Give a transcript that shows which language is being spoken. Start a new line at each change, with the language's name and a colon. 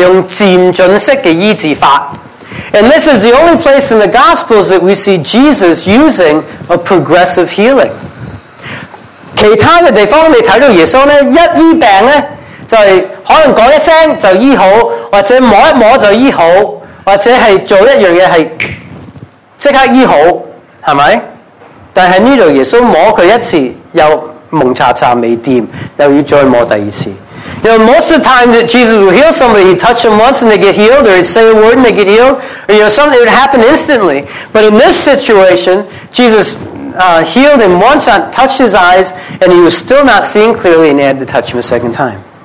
Cantonese: 亦都有几样东西比较特别。这个经文呢,就是福音书里面我们所看到耶稣唯一的地方,是用渐进式的医治法。
English: And this is the only place in the Gospels that we see Jesus using a progressive healing.
Cantonese: 其他的地方你看到耶稣呢,一医病呢,就是可能说一声就医好,或者摸一摸就医好,或者是做一样东西是立刻医好,是不是?但是这里耶稣摸他一次,又蒙查查未掂,又要再摸第二次。
English: You know, most of the time that Jesus will heal somebody, he touch them once and they get healed, or he say a word and they get healed, or you know, something, it would happen instantly. But in this situation, Jesus healed him once, touched his eyes, and he was still not seeing clearly, and he had to touch him a second time.